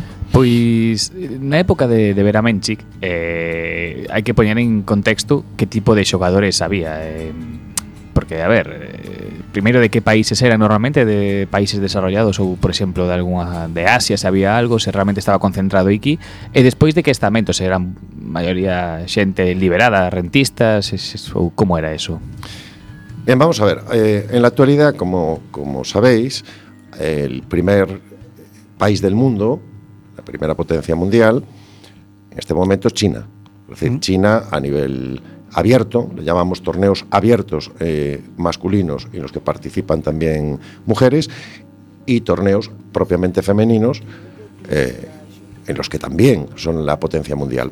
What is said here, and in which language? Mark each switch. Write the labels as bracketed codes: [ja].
[gl] Pois, na época de Beramenchik, hai que poñer en contexto que tipo de xogadores había. Porque, a ver, primeiro, de que países eran normalmente, de países desarrollados ou, por exemplo, de alguna de Asia, se había algo, se realmente estaba concentrado aquí. E despois, de que estamentos eran maioría xente liberada, rentistas, ou como era eso? [es] Bien, vamos a ver. En la actualidad, como sabéis, el primer país del mundo... La primera potencia mundial en este momento es China. Es decir, China a nivel abierto, le llamamos torneos abiertos masculinos en los que participan también mujeres, y torneos propiamente femeninos en los que también son la potencia mundial.